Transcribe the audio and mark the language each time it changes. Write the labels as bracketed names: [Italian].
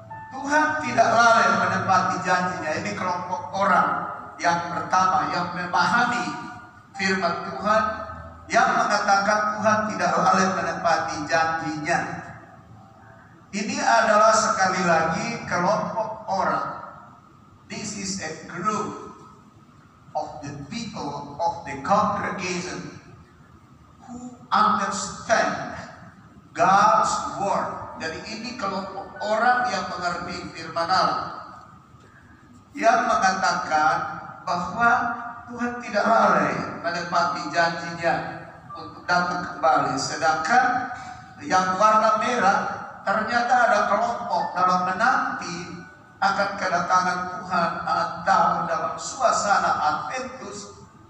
[Indonesian] Tuhan tidak lalai menepati janjinya. Ini kelompok orang yang pertama yang memahami firman Tuhan, yang mengatakan Tuhan tidak lalai menepati janjinya. Ini adalah sekali lagi kelompok orang. [English] This is a group of the people of the congregation who understand God's word. [Indonesian] Jadi ini kelompok orang yang mengerti firman Allah, yang mengatakan bahwa Tuhan tidak lalai menepati janjinya untuk datang kembali. Sedangkan yang warna merah, ternyata ada kelompok dalam menanti akan kedatangan Tuhan atau dalam suasana Adventus.